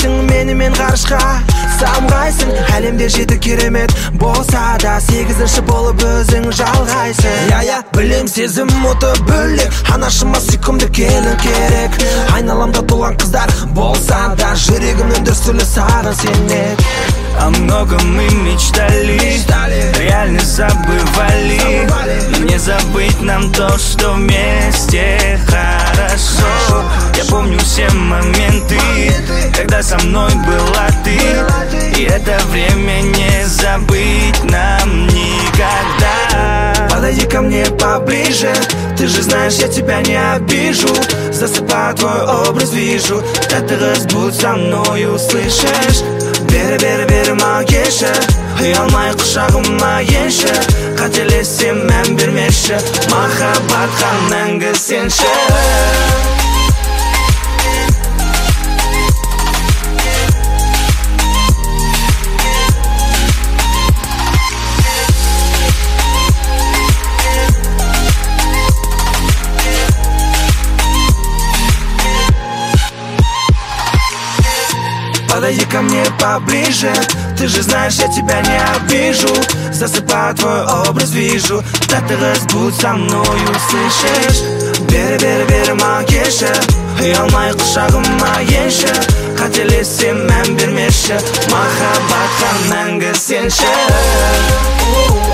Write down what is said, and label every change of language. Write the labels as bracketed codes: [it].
[kk] Менімен ғарышқа самғайсың, әлемде жеті керемет болса да сегізінші болып өзің жалғайсың. Я-я, білем сезім оты бөлек, анашыма сүйкімді келін керек. Айналамда толған қыздар болса да жүрегімнің дүрсілі сағын сенек. [ru] О многом мы мечтали, реально забывали. Не забыть нам то, что вместе хорошо. Я помню все моменты, когда со мной была ты. И это время не забыть нам никогда. Подойди ко мне поближе, ты же знаешь, я тебя не обижу. Засыпаю, твой образ вижу, да ты разбудь со мною, слышишь? [kk] Бер-бер-бер макеші, ұялмай құшағыма енші. Қателесем мән бермеші, махаббатқа мәңгі сенші. [ru] Подойди ко мне поближе, ты же знаешь, я тебя не обижу. Засыпаю, твой образ вижу, да ты разбудь со мною, слышишь? [kk] Бер-бер-бер макеші, ұялмай құшағыма енші. Қателесем мән бермеші, махаббатқа мәңгі сенші.